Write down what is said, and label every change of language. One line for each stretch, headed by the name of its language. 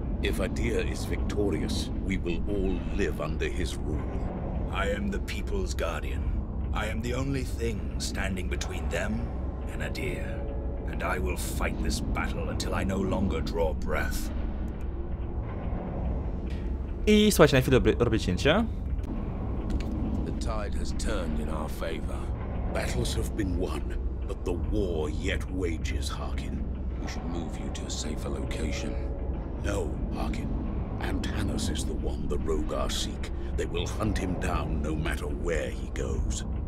English: If Adir is victorious, we will all live under his rule. I am the people's guardian. I am the only thing standing between them and Adir. And I will fight this battle until I no longer draw breath.
Polish: I słuchajcie, na chwilę robię cięcie.
English: The tide has turned in our favor. Battles have been won. But the war yet wages, Harkin. We should move you to a safer location. No, Harkin. Antanas is the one the Rogar seek. They will hunt him down no matter where he goes.